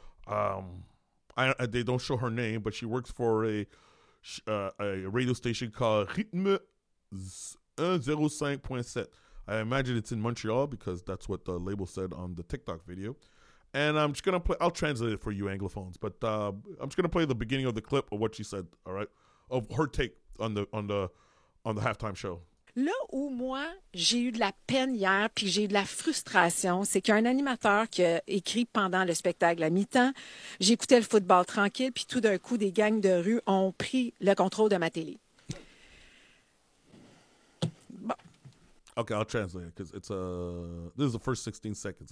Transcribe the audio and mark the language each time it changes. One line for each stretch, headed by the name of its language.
English: They don't show her name, but she works for a radio station called Rhythm 105.7. I imagine it's in Montreal because that's what the label said on the TikTok video. And I'm just going to play, I'll translate it for you Anglophones, but I'm just going to play the beginning of the clip of what she said, all right, of her take on the halftime show.
French: Là où moi, j'ai eu de la peine hier, puis j'ai eu de la frustration, c'est qu'il y a un animateur qui a écrit pendant le spectacle à mi-temps, j'écoutais le football tranquille, puis tout d'un coup, des gangs de rue ont pris le contrôle de ma télé.
English: Okay, I'll translate it because it's this is the first 16 seconds.